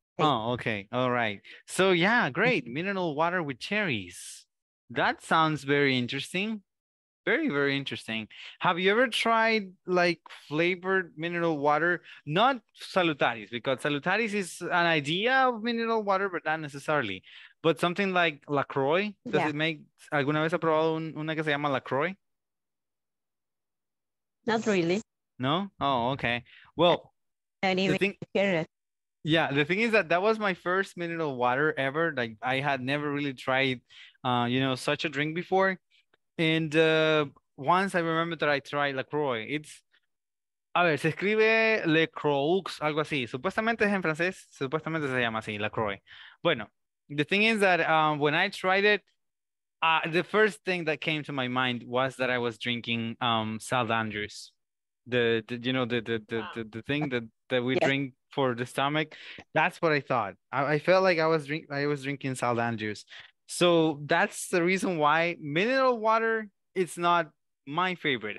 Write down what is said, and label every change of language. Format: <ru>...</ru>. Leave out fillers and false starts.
<en>Oh, okay. All right. So, yeah, great. Mineral water with cherries. That sounds very interesting. Very, very interesting. Have you ever tried like flavored mineral water? Not salutaris, because salutaris is an idea of mineral water, but not necessarily. But something like LaCroix, does Yeah. it make,</en> <es>alguna vez ha probado una que se llama LaCroix?</es> <en>Not really. No? Oh, okay. Well, Don't the even thing, hear it. yeah, the thing is that that was my first mineral water ever. Like I had never really tried, such a drink before. And once I remember that I tried LaCroix, it's,</en> <es>a ver, se escribe Le Croix, algo así. Supuestamente es en francés, supuestamente se llama así, LaCroix. Bueno.</es> <en>The thing is that when I tried it, the first thing that came to my mind was that I was drinking Sal d'Andrews, the thing that we drink for the stomach. That's what I thought. I felt like I was drinking Sal d'Andrews. So that's the reason why mineral water is not my favorite.</en>